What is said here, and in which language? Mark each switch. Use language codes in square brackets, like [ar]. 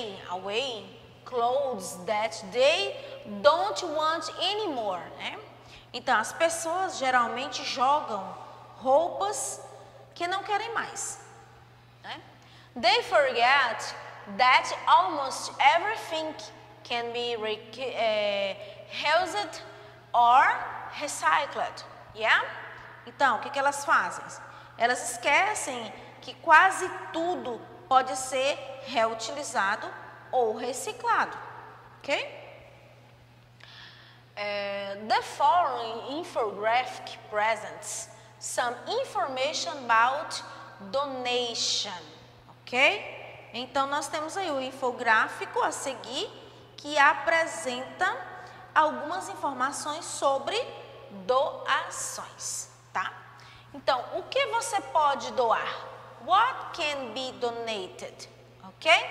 [en] Away clothes that they don't want anymore, né? [pt] Então, as pessoas geralmente jogam roupas que não querem mais, né? [en] They forget that almost everything can be reused or recycled, yeah? [pt] Então, o que que elas fazem? Elas esquecem que quase tudo pode ser reutilizado ou reciclado, ok? [en] The following infographic presents some information about donation, ok? [pt] Então, nós temos aí o infográfico a seguir que apresenta algumas informações sobre doações, tá? Então, o que você pode doar? [en] What can be donated, ok?